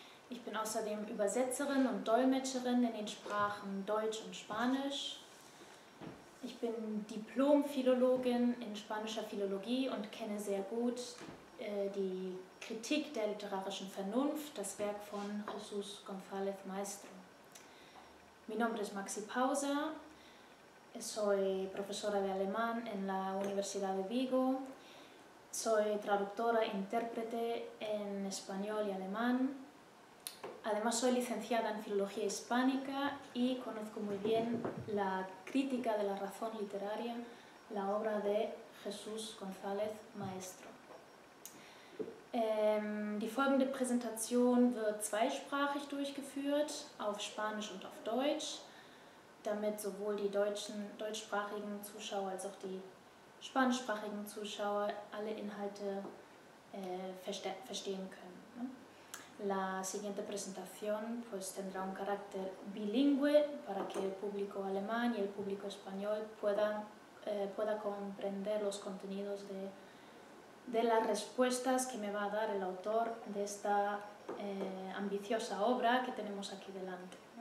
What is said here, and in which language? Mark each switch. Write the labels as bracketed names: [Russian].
[German] Ich bin außerdem Übersetzerin und Dolmetscherin in den Sprachen Deutsch und Spanisch. Ich bin Diplom-Philologin in spanischer Philologie und kenne sehr gut die Kritik der literarischen Vernunft, das Werk von Jesús González Maestro. [Spanish] Mi nombre es Maxi Pauser. Soy profesora de alemán en la Universidad de Vigo. Soy traductora e intérprete en español y alemán. Además, soy licenciada en filología hispánica y conozco muy bien la crítica de la razón literaria, la obra de Jesús González Maestro. [German] Die folgende Präsentation wird zweisprachig durchgeführt, auf Spanisch und auf Deutsch, damit sowohl die deutschsprachigen Zuschauer als auch die spanischsprachigen Zuschauer alle Inhalte verstehen können. [Spanish] La siguiente presentación pues, tendrá un carácter bilingüe para que el público alemán y el público español pueda comprender los contenidos de las respuestas que me va a dar el autor de esta ambiciosa obra que tenemos aquí delante.